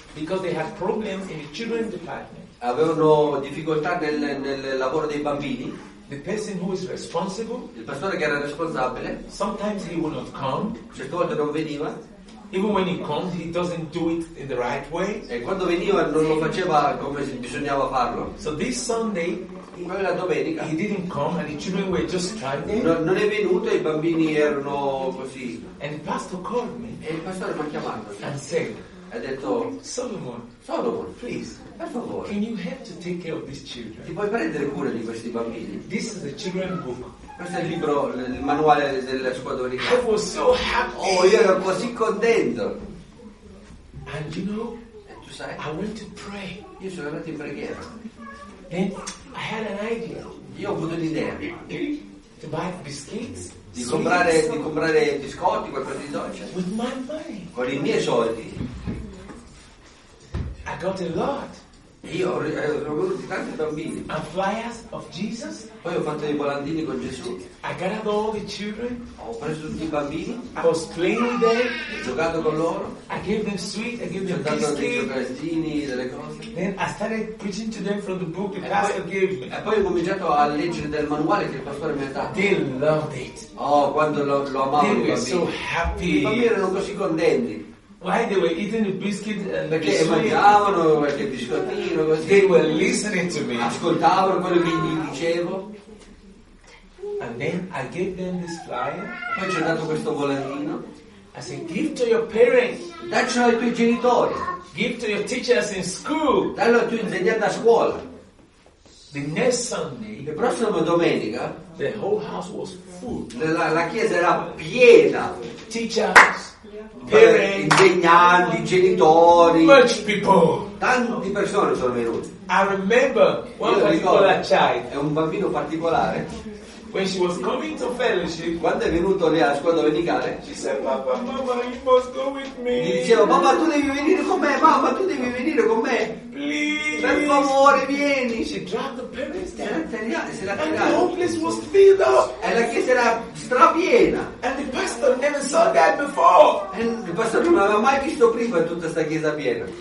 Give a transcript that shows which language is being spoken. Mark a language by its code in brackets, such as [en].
[en] Because they had problems in the children's department. [it] Avevano difficoltà nel lavoro dei bambini. [en] The person who is responsible, [it] il pastore che era responsabile, [en] sometimes he would not come. [it] Certe volte non veniva. [en] Even when he comes, he doesn't do it in the right way. [it] E quando veniva non lo faceva come bisognava farlo. [en] So this Sunday, [it] quella domenica, [en] he didn't come, and the children were just standing. [it] Non è venuto, i bambini erano così. [en] And the pastor called me. [it] E il pastore mi ha chiamato. [en] And said, [it] ha detto, [en] Solomon, please, [it] per favore, [en] can you help to take care of these children? [it] Ti puoi prendere cura di questi bambini? [en] This is the children's book. [it] Questo è il libro, il manuale della squadra. [en] I was so happy. [it] Oh, io ero così contento. [en] And you know, [it] e tu sai, [en] I went to pray. [it] Io sono andato in preghiera. [en] And I had an idea. [it] Io ho avuto l'idea. [en] To buy biscuits. [it] Di comprare biscotti, qualcosa di dolce. [en] With my money. [it] Con i miei soldi. [en] I got a lot. [it] Io ho ricevuto tanti bambini. [en] And flyers of Jesus. [it] Poi ho fatto dei volantini con Gesù. [en] I got all the children. [it] Ho preso tutti i bambini. [en] I was playing with them. [it] Ho giocato con loro. [en] I gave them sweet. I gave them [it] biscuits. Ho dato dei cioccolatini, delle cose. [en] Then I started preaching to them from the book the pastor gave me. [it] E poi ho cominciato a leggere del manuale che il pastore mi ha dato. [en] They loved it. [it] Oh, quando lo amavano i bambini. [en] They were so happy. [it] I bambini erano così contenti. [en] Why they were eating a biscuit and [it] perché mangiavano qualche biscottino così. [en] They were listening to me. [it] Ascoltavano quello che gli dicevo. [en] And then I gave them this flyer. [it] Poi ci ho dato questo volantino. [en] I said, give to your parents. [it] Daccelo ai tuoi genitori. [en] Give to your teachers in school. [it] Dallo ai tuoi insegnanti a scuola. [en] The next Sunday. [it] La prossima domenica. [en] The whole house was full. [it] La chiesa era piena. [en] Teachers. [it] Insegnanti, genitori, [en] much people, [it] tante persone sono venute. [en] I remember one particular child. [it] È un bambino particolare. [en] When she was coming to fellowship, [it] quando è venuto lì alla scuola domenicale, [en] she said, "Papa, mamma, you must go with me." [it] Gli dicevo, "Mamma, tu devi venire con me. Mamma, tu devi venire con me. [en] Please, [it] per favore, vieni." [en] She dropped the parents down. [it] Se la [en] tagliate. And the whole place was filled up. [it] E la chiesa era strapiena. [en] And the pastor never saw that before. [it] And il pastore non aveva mai visto prima tutta sta chiesa piena.